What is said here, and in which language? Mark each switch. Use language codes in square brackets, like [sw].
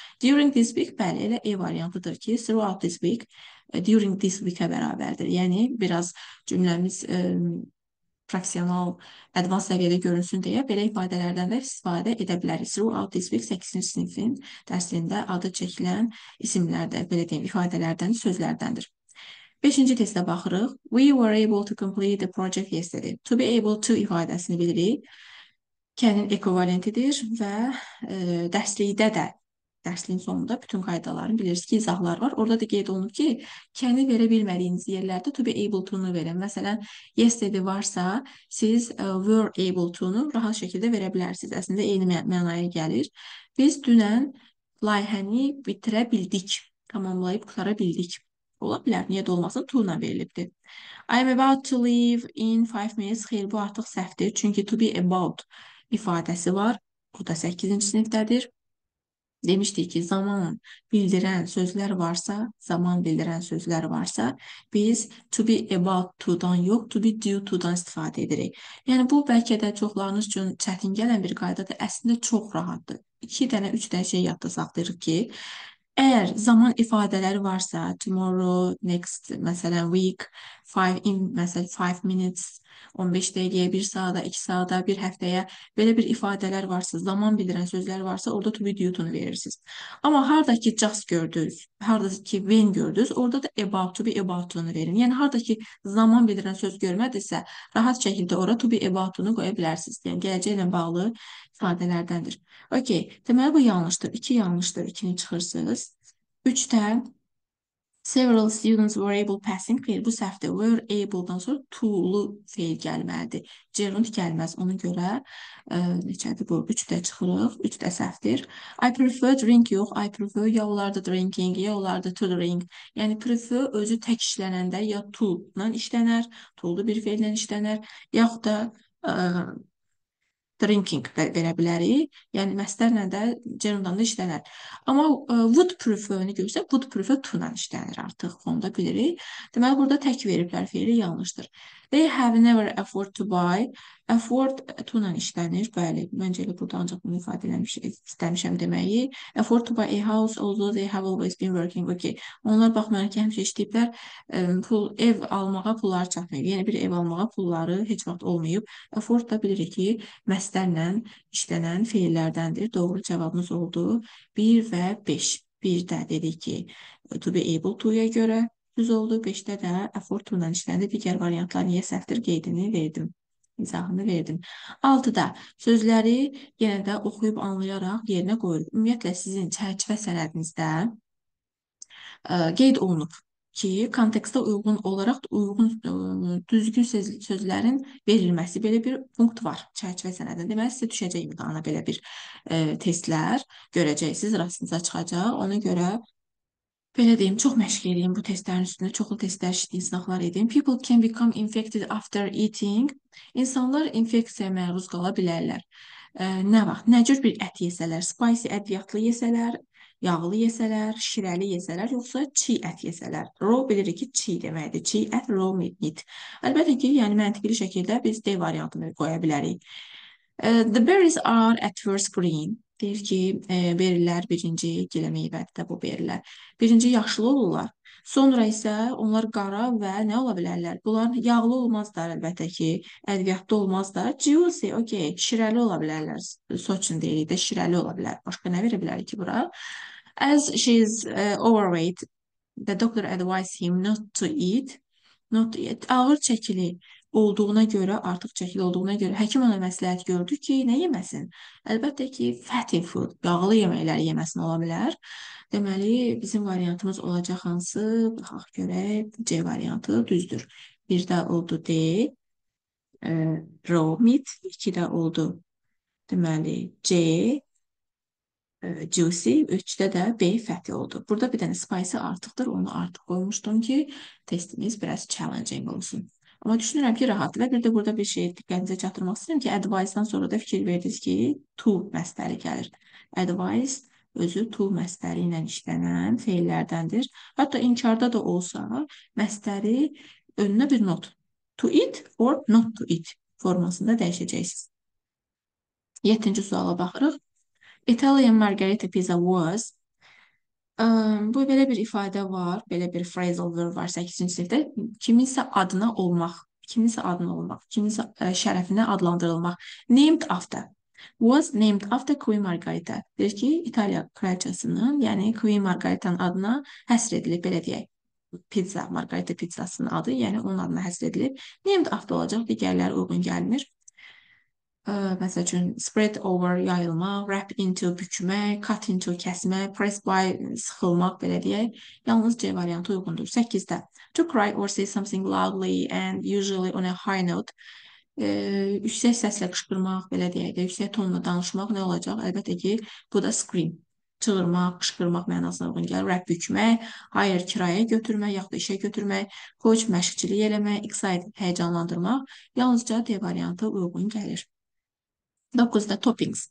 [en] During this week, [az] bəli, elə E variantıdır ki, [en] throughout this week, during this week-ə bərabərdir. [az] Yəni, biraz cümləmiz professional, advanced səviyyədə görünsün deyə belə ifadələrdən də istifadə edə bilərik. Throughout this week 8-ci sinifin dərsində adı çəkilən isimlərdə, belə deyim, ifadələrdən, sözlərdəndir. 5-ci testə baxırıq. [en] We were able to complete the project yesterday. [az] To be able to ifadəsini bilirik. Can-ın ekvivalentidir və dərslikdə də dərsliyin sonunda bütün qaydaların bilirsiniz ki, izahlar var. Orada da qeyd olunub ki, can-ı verə bilmədiyiniz yerlərdə to be able to-nu verin. Məsələn, yesterday varsa, siz were able to-nu rahat şəkildə verə bilərsiniz. Əslində eyni mənaya gəlir. Biz dünən layihəni bitirə bildik, tamamlayıb qutara bildik. Ola bilər, niyə də olmasın, to-na verilibdir. [en] I am about to leave in 5 minutes. [az] Xeyr, bu artıq səhvdir. Çünki to be about ifadəsi var. Bu da 8-ci sinifdədir. Demişdik ki, zaman bildirən sözlər varsa, zaman bildirən sözlər varsa, biz to be about to-dan yox, to be due to-dan istifadə edirik. Yəni bu bəlkə də çoxlarınız üçün çətin gələn bir qaydadır. Əslində çox rahatdır. 2 dənə, 3 dənə şey yadda saxlayırıq ki, əgər zaman ifadələri varsa, tomorrow, next, məsələn, week, 5 minutes, 15 dəqiqəyə, 1 saata, 2 saata, 1 həftəyə belə bir ifadələr varsa, zaman bildirən sözlər varsa, orada to be due-nu verirsiniz. Amma harda ki just gördünüz, harda ki when gördünüz, orada da about to be about-nu verin. Yəni harda ki zaman bildirən söz görmədisə, rahat şəkildə ora to be about-nu qoya bilərsiniz. Yəni gələcəklə bağlı ifadələrdəndir. Okay, deməli bu yanlışdır. 2 yanlışdır, 2-ni çıxırsınız. 3-də [en] Several students were able passing fail. [az] Bu səhvdə were able-dan sonra to-lu fail gəlməlidir. Gerund gəlməz. Ona görə neçədir bu? Üçdə çıxırıq. Üçdə səhvdir. [en] I prefer drink [az] yox. [en] I prefer ya onlarda drinking, ya onlarda to drink. [az] Yəni prefer özü tək işlənəndə ya to-la işlənər, to-lu bir fail ilə işlənər, yaxud da drinking verə bilərik. Yəni məstərlə də gerundan da işlənər. Amma would prefer-ni görsə, would prefer to-la işlənir artıq. Onu da bilirik. Deməli burada tək veriblər fe'li yanlışdır. [en] They have never afford to buy. [az] Afford to-la işlənir. Bəli, məncə elə burada ancaq bunu ifadə etmiş istəmişəm deməyi. [en] Afford to buy a house although they have always been working. Okay. [az] Onlar baxmayaraq ki, həmişə işləyiblər, pul ev almağa pulları çatmayıb. Yəni bir ev almağa pulları heç vaxt olmayıb. Afford da bilirik ki, məstərlə işlənən fe'llərdəndir. Doğru cavabımız oldu 1 və 5. 1-də dedik ki, to be able to-ya görə düz oldu. 5-də də afford to-la işləndi. Digər variantlar niyə səhvdir? Qeydini verdim. İzahını verdim. 6-da sözləri yenə də oxuyub anlayaraq yerinə qoyuruq. Ümumiyyətlə sizin çərçivə sənədinizdə qeyd olunub ki, kontekstə uyğun olaraq uyğun düzgün sözlərin verilməsi belə bir punkt var çərçivə sənədində. Deməli sizə düşəcək imtahana belə bir testlər görəcəksiniz, rastınıza çıxacaq. Ona görə belə deyim, çox məşq edeyim bu testlərin üstündə, çoxlu testlər işləyin, sınaqlar edeyim. [en] People can become infected after eating. [az] İnsanlar infeksiyaya məruz qala bilərlər. Nə vaxt, nə cür bir ət yesələr, spicy ədviyyatlı yesələr, yağlı yesələr, şirəli yesələr, yoxsa çiğ ət yesələr. Raw bilirik ki, çiğ deməkdir. Çiğ ət, raw meat. Əlbəttə ki, yəni məntiqli şəkildə biz D variantını qoya bilərik. [en] The berries are at first green. [az] Deyir ki, berilər birinci gilə meyvədir də bu berilər. Birinci yaşlı olurlar. Sonra isə onlar qara və nə ola bilərlər? Bunlar yağlı olmazlar əlbəttə ki, ədviyyatlı olmazlar. Juicy, okey, şirəli ola bilərlər. Soçun deyirik də şirəli ola bilər. Başqa nə verə bilərik ki, bura? [en] As she is overweight, the doctor advised him not to eat. Not to eat. [az] Ağır çəkili olduğuna görə, artıq çəkil olduğuna görə həkim ona məsləhət gördü ki, nə yeməsin? Əlbəttə ki, fatty food, yağlı yeməklər yeməsin ola bilər. Deməli, bizim variantımız olacaq hansı? Baxaq görək, C variantı düzdür. Bir də oldu D, raw meat. İki də oldu, deməli, C, juicy. Üçdə də B, fatty oldu. Burada bir dənə spicy artıqdır, onu artıq qoymuşdum ki, testimiz biraz challenging olsun. Amma düşünürəm ki, rahatdır. Və bir də burada bir şey diqqətinizə çatdırmaq istəyirəm ki, advice-dan sonra da fikir verdiniz ki, to məstəri gəlir. Advice özü to məstəri ilə işlənən feillərdəndir. Hətta inkarda da olsa, məstəri önünə bir not. To eat or not to eat formasında dəyişəcəksiniz. 7-ci suala baxırıq. [en] Italian margherita pizza was... [az] bu belə bir ifadə var, belə bir phrasal verb var 8-ci sinifdə. Kiminsə adına olmaq, kiminsə adına olmaq, kiminsə şərəfinə adlandırılmaq. [en] Named after. Was named after Queen Margarita. [az] Deyir ki, İtaliya kraliçasının, yəni Queen Margarita'nın adına həsr edilib, belə deyək. Pizza, Margarita pizzasının adı, yəni onun adına həsr edilib. Named after olacaq, digərlər uyğun gəlmir. Məsəl üçün, spread over, yayılma, wrap into, bükmək, cut into, kəsmək, press by, sıxılmaq, belə deyək. Yalnız C variantı uyğundur. 8-də. [en] To cry or say something loudly and usually on a high note. [az] Yüksək səslə qışqırmaq, belə deyək, yüksək tonla danışmaq nə olacaq? Əlbəttə ki, bu da scream. Çığırmaq, qışqırmaq mənasına uyğun gəlir. Rap bükmək, hire kirayə götürmək, yaxud da işə götürmək, koç məşqçilik eləmək, excite həyəcanlandırmaq. Yalnızca D variantı uyğun gəlir. 9-da toppings.